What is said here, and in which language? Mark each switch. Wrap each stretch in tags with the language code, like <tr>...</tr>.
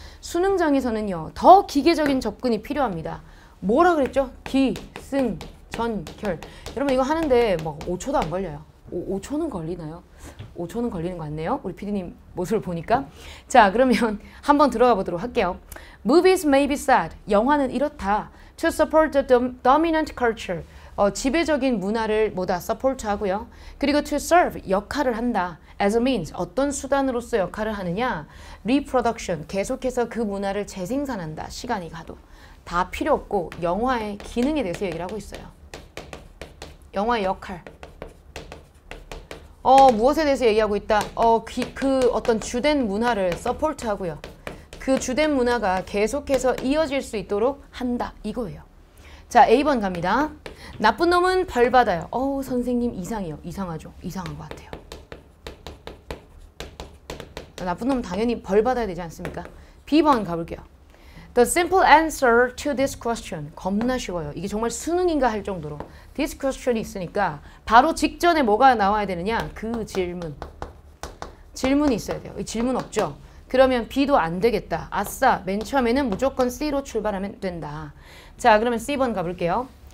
<ko>수능장에서는요, 더 기계적인 접근이 필요합니다. 뭐라 그랬죠? 기, 승, 전, 결. 여러분 이거 하는데 막 5초도 안 걸려요. 5초는 걸리나요? 5초는 걸리는 것 같네요. 우리 PD님 모습을 보니까. 자, 그러면 한번 들어가 보도록 할게요.</ko> <en>Movies may be sad.</en> <ko>영화는 이렇다.</ko> <en>To support the dominant culture.</en> <ko>지배적인 문화를 뭐다? support 하고요. 그리고 to serve, 역할을 한다.</ko> <en>As a means,</en> <ko>어떤 수단으로서 역할을 하느냐? Reproduction, 계속해서 그 문화를 재생산한다. 시간이 가도. 다 필요 없고 영화의 기능에 대해서 얘기를 하고 있어요. 영화의 역할. 무엇에 대해서 얘기하고 있다? 그 어떤 주된 문화를 support 하고요. 그 주된 문화가 계속해서 이어질 수 있도록 한다. 이거예요. 자, A번 갑니다. 나쁜 놈은 벌 받아요. 선생님 이상해요. 이상하죠? 이상한 것 같아요. 나쁜 놈은 당연히 벌 받아야 되지 않습니까? B번 가볼게요.</ko> <en>The simple answer to this question.</en> <ko>겁나 쉬워요. 이게 정말 수능인가 할 정도로. This question이 있으니까 바로 직전에 뭐가 나와야 되느냐? 그 질문. 질문이 있어야 돼요. 질문 없죠? 그러면 B도 안 되겠다. 아싸, 맨 처음에는 무조건 C로 출발하면 된다. 자, 그러면 C번 가볼게요.</ko>